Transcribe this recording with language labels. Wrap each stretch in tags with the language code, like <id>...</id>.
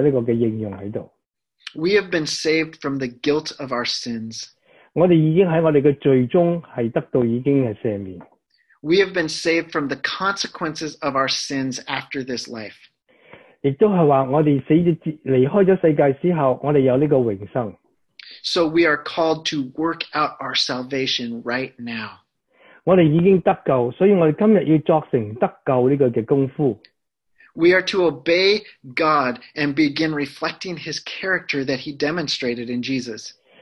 <en>We have been saved from the guilt of our sins.</en> <zh>我们已经在我们的罪中得到已经赦免。</zh> <en>We have been saved from the consequences of our sins after this life.</en> <zh>也就是说，我们死离开了世界之后，我们有这个永生。</zh> <en>So we are called to work out our salvation right now.</en> <zh>我们已经得救，所以我们今日要作成得救这个的功夫。</zh> <en>We are to obey God and begin reflecting His character that He demonstrated in Jesus.</en>